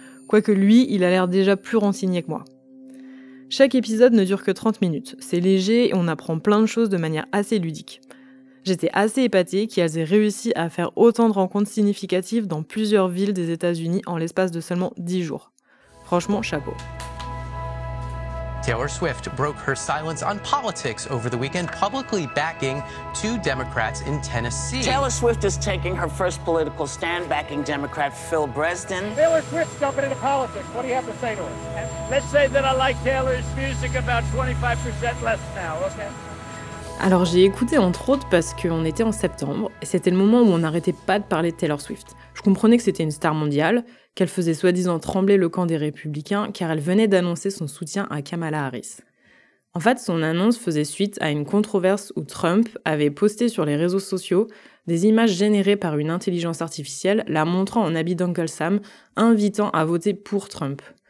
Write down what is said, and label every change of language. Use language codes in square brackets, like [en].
[fr] Quoique lui, il a l'air déjà plus renseigné que moi. Chaque épisode ne dure que 30 minutes, c'est léger et on apprend plein de choses de manière assez ludique. J'étais assez épatée qu'elles aient réussi à faire autant de rencontres significatives dans plusieurs villes des États-Unis en l'espace de seulement 10 jours. Franchement, chapeau. [en] Taylor Swift broke her silence on politics over the weekend, publicly backing two Democrats in Tennessee. Taylor Swift is taking her first political stand, backing Democrat Phil Bresden. Taylor Swift's jumping into politics. What do you have to say to her? Let's say that I like Taylor's music about 25% less now, okay? [fr] Alors j'ai écouté entre autres parce qu'on était en septembre, et c'était le moment où on n'arrêtait pas de parler de Taylor Swift. Je comprenais que c'était une star mondiale, qu'elle faisait soi-disant trembler le camp des Républicains, car elle venait d'annoncer son soutien à Kamala Harris. En fait, son annonce faisait suite à une controverse où Trump avait posté sur les réseaux sociaux des images générées par une intelligence artificielle la montrant en habit d'Uncle Sam, invitant à voter pour Trump.